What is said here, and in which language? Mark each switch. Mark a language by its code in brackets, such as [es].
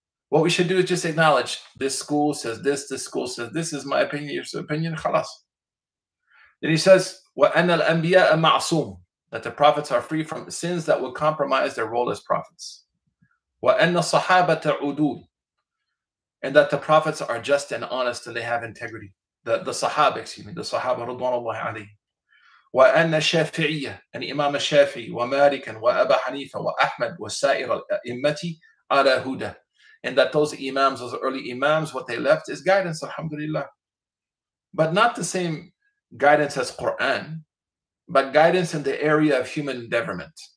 [en] What we should do is just acknowledge this school says this, this school says this is my opinion, your opinion, khalas. Then he says, [ar] وَأَنَّ الْأَنْبِيَاءَ مَعْصُومٌ, [en] that the prophets are free from sins that would compromise their role as prophets. [ar] وَأَنَّ الصَّحَابَةَ عُدُولٌ, [en] and that the prophets are just and honest and they have integrity. [ar] The Sahaba, رضوان الله عليه. وَأَنَّ الشَّافِعِيَ, [en] and Imam al-Shafi, [ar] وَمَالِكًا وَأَبَا حَنِيفَ وَأَحْمَدُ وَسَائِرَ الْأَمَّةِ عَلَى هُدَى, [en] and that those imams, those early imams, what they left is guidance, alhamdulillah. But not the same guidance as Quran, but guidance in the area of human endeavorment.